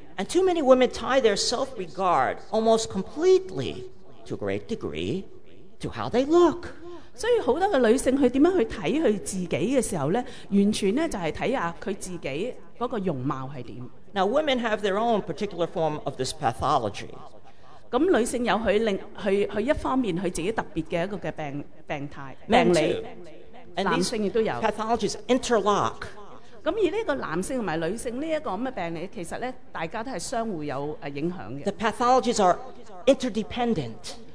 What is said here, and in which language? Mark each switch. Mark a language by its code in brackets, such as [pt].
[en] And too many women tie their self-regard almost completely to a great degree to how they look. [zh] 所以很多女性她怎樣去看她自己的時候呢,完全呢,就是看她自己那個容貌是怎樣. [en] Now women have their own particular form of this pathology. [zh] 女性有她一方面她自己特別的一個病態, [en] men [zh] 病理, [en] too. [zh] 男性也有. [en] And these pathologies interlock. [zh] 而这个男性和女性这个病理其实大家都是相互有影响的. [en] The pathologies are interdependent.